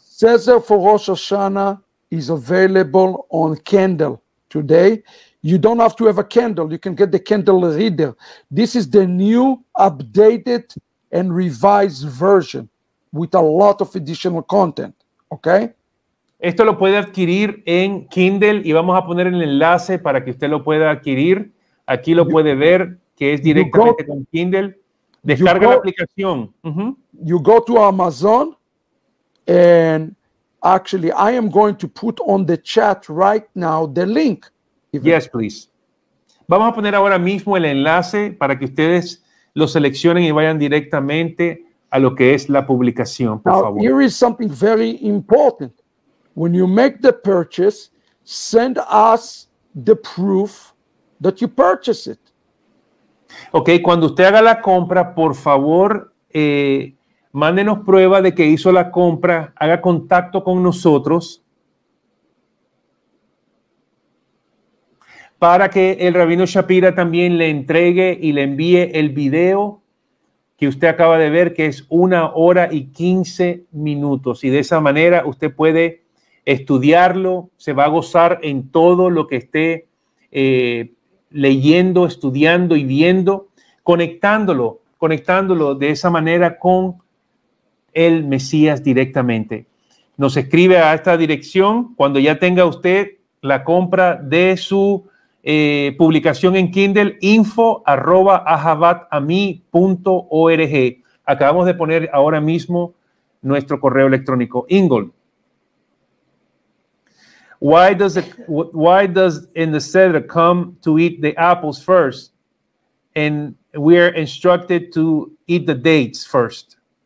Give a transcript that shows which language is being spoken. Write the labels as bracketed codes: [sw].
[en] Seder for Rosh Hashanah is available on Kindle today. You don't have to have a Kindle. You can get the Kindle reader. This is the new, updated, and revised version with a lot of additional content. Okay? [es] Esto lo puede adquirir en Kindle y vamos a poner el enlace para que usted lo pueda adquirir. Aquí lo puede ver que es directamente con Kindle. Descarga la aplicación. Uh-huh. [en] You go to Amazon, and actually, I am going to put on the chat right now the link. Yes, please. [es] Vamos a poner ahora mismo el enlace para que ustedes lo seleccionen y vayan directamente a lo que es la publicación, por [en] now, [es] favor. [en] Here is something very important. When you make the purchase, send us the proof that you purchased it. [es] Ok, cuando usted haga la compra, por favor, Mándenos prueba de que hizo la compra, haga contacto con nosotros para que el Rabino Shapira también le entregue y le envíe el video que usted acaba de ver, que es 1:15. Y de esa manera usted puede estudiarlo, se va a gozar en todo lo que esté leyendo, estudiando y viendo, conectándolo de esa manera con el Mesías directamente. Nos escribe a esta dirección cuando ya tenga usted la compra de su publicación en Kindle, info@ahavatami.org. Acabamos de poner ahora mismo nuestro correo electrónico. Ingol. [en] Why does in the Seder come to eat the apples first, and we are instructed to eat the dates first?